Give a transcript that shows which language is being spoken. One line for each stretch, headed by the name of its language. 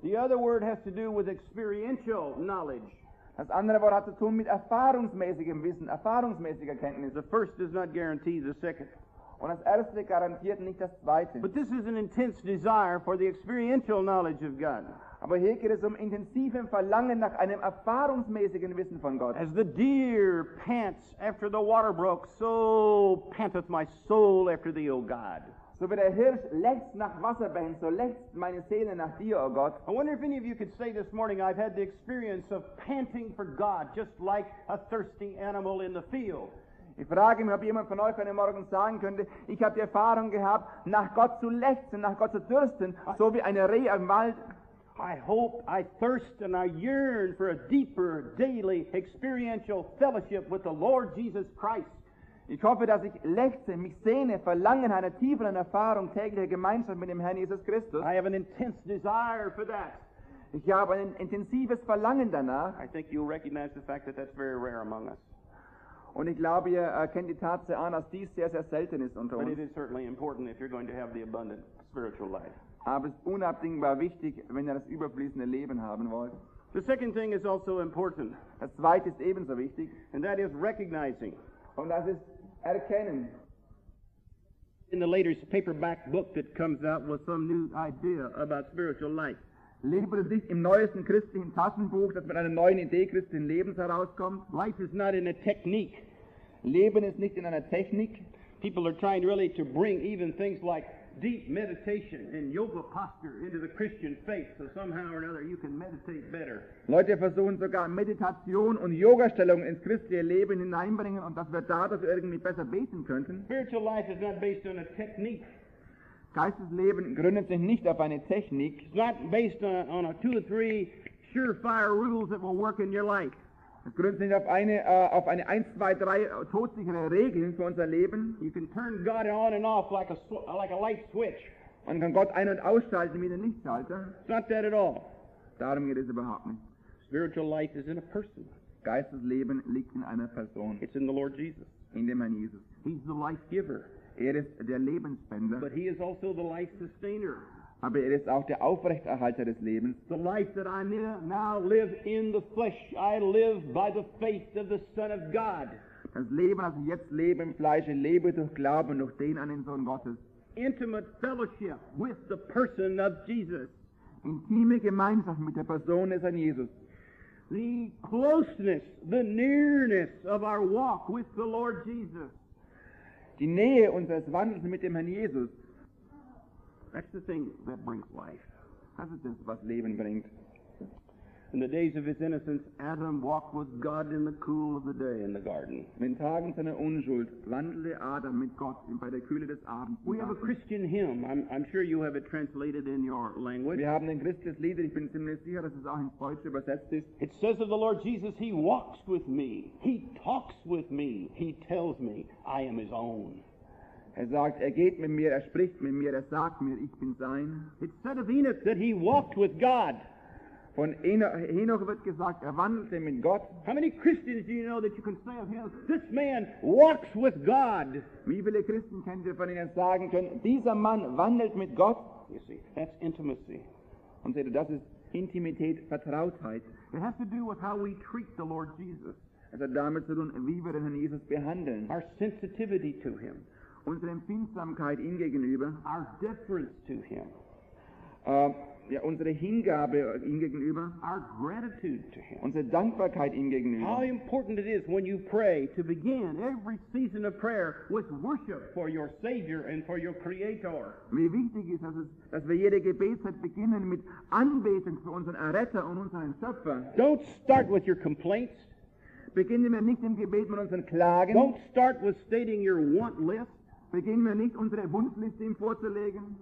English: The other word has to do with experiential knowledge.
German: Das andere Wort hat zu tun mit erfahrungsmäßigem Wissen, erfahrungsmäßiger Kenntnis.
English: The first does not guarantee the second.
German: Und das Erste garantiert nicht das Zweite.
English: But this is an intense desire for the experiential knowledge of God.
German: Aber hier geht es intensiven Verlangen nach einem erfahrungsmäßigen Wissen von Gott.
English: As the deer pants after the water brook, so panteth my soul after thee, O God.
German: So wie der Hirsch lechzt nach Wasserbächen, so lechzt meine Seele nach dir, O Gott.
English: I wonder if any of you could say this morning, I've had the experience of panting for God, just like a thirsty animal in the field.
German: Ich frage mich, ob jemand von euch heute Morgen sagen könnte, ich habe die Erfahrung gehabt, nach Gott zu lechzen, nach Gott zu dürsten, so wie eine Reh im Wald.
English: I hope, I thirst and I yearn for a deeper, daily, experiential fellowship with the Lord Jesus Christ.
German: Ich hoffe, dass ich lechze, mich sehne, verlange nach einer tieferen Erfahrung täglicher Gemeinschaft mit dem Herrn Jesus Christus.
English: I have an intense desire for that.
German: Ich habe ein intensives Verlangen danach.
English: I think you recognize the fact that that's very rare among us.
German: Und ich glaube, ihr erkennt die Tatsache an, dass dies sehr, sehr selten ist unter uns.
English: But it is certainly important if you're going to have the abundant spiritual life.
German: Aber es ist unabdingbar wichtig, wenn ihr das überfließende Leben haben wollt.
English: The second thing is also important.
German: Das zweite ist ebenso wichtig.
English: And that is recognizing.
German: Und das ist erkennen.
English: In the latest paperback book that comes out with some new idea about spiritual life.
German: Lebe dich im neuesten christlichen Taschenbuch, das mit einer neuen Idee christlichen Lebens herauskommt.
English: Life is not in a technique.
German: Leben ist nicht in einer Technik.
English: People are trying really to bring even things like deep meditation and yoga posture into the Christian faith, so somehow or another you can meditate better.
German: Leute versuchen sogar Meditation und Yoga-Stellung ins christliche Leben hineinbringen, und dass wir dadurch irgendwie besser beten könnten.
English: Spiritual life is not based on a technique.
German: Geistesleben gründet sich nicht auf eine Technik.
English: It's not based on a two or three surefire rules that will work in your life.
German: Es gründet sich auf eine 1, 2, 3 todsichere Regeln für unser Leben.
English: You can turn God on and off like a light switch.
German: Man kann Gott ein- und ausschalten wie ein Lichtschalter.
English: It's not that at all.
German: Darum geht es überhaupt nicht.
English: Spiritual life is in a person.
German: Geistesleben liegt in einer Person.
English: It's in the Lord Jesus.
German: In dem Herrn Jesus.
English: He's the life giver.
German: Er ist der Lebensspender.
English: But he is also the life sustainer.
German: Aber er ist auch der Aufrechterhalter des Lebens.
English: The life that I now live in the flesh, I live by the faith of the Son of God.
German: Das Leben, das ich jetzt lebe im Fleisch, ich lebe durch Glauben durch den an den Sohn Gottes.
English: Intimate fellowship with the person of Jesus.
German: Intime Gemeinschaft mit der Person des Herrn Jesus.
English: The closeness, the nearness of our walk with the Lord Jesus.
German: Die Nähe unseres Wandels mit dem Herrn Jesus.
English: That's the thing that brings life.
German: Das ist das, was Leben bringt.
English: In the days of his innocence, Adam walked with God in the cool of the day in the garden.
German: In Tagen seiner Unschuld wandelte Adam mit Gott bei der Kühle des Abends.
English: We have a Christian hymn. I'm sure you have it translated in your language.
German: Wir haben ein christliches Lied. Ich bin ziemlich sicher, dass es auch ins Deutsche übersetzt ist.
English: It says of the Lord Jesus, he walks with me. He talks with me. He tells me I am his own.
German: Er sagt, er geht mit mir, er spricht mit mir, er sagt mir, ich bin sein.
English: It said of Enoch that he walked with God.
German: Von Enoch wird gesagt, er wandelte mit Gott.
English: How many Christians do you know that you can say of him, this man walks with God?
German: Wie viele Christen kennt ihr von ihnen sagen können, dieser Mann wandelt mit Gott?
English: You see, that's intimacy.
German: Und seht ihr, das ist Intimität, Vertrautheit.
English: It has to do with how we treat the Lord Jesus.
German: Es hat damit zu tun, wie wir den Herrn Jesus behandeln.
English: Our sensitivity to him.
German: Unsere Empfindsamkeit ihm gegenüber.
English: Our deference to him.
German: Unsere Hingabe ihm gegenüber.
English: Our gratitude to him.
German: Unsere Dankbarkeit ihm gegenüber.
English: How important it is when you pray to begin every season of prayer with worship for your Savior and for your Creator.
German: Wie wichtig ist es, dass wir jede Gebetszeit beginnen mit Anbetung für unseren Erretter und unseren Schöpfer.
English: Don't start with your complaints.
German: Beginnen wir nicht im Gebet mit unseren Klagen.
English: Don't start with stating your want list.
German: Beginnen wir nicht, unsere Wunschliste ihm vorzulegen.